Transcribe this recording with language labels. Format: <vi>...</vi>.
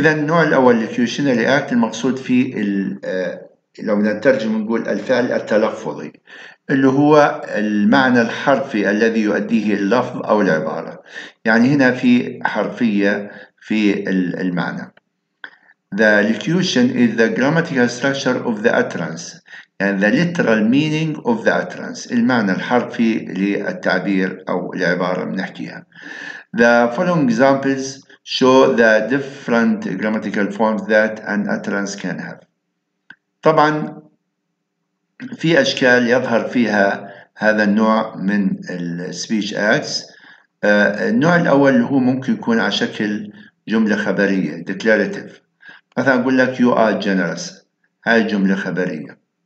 <ar>إذا النوع الأول Locutionary Act المقصود فيه لو نترجم نقول الفعل التلفظي اللي هو المعنى الحرفي الذي يؤديه اللفظ أو العبارة. يعني هنا في حرفية في المعنى.</ar> <en>The locution is the grammatical structure of the utterance and the literal meaning of the utterance.</en> <ar>المعنى الحرفي للتعبير أو العبارة بنحكيها.</ar> <en>The following examples show the different grammatical forms that an utterance can have.</en> <ar>طبعا في أشكال يظهر فيها هذا النوع من الـ speech acts. النوع الأول هو ممكن يكون على شكل جملة خبرية declarative. مثلا أقول لك</ar> <en>you are generous،</en> <ar>هاي جملة خبرية.</ar>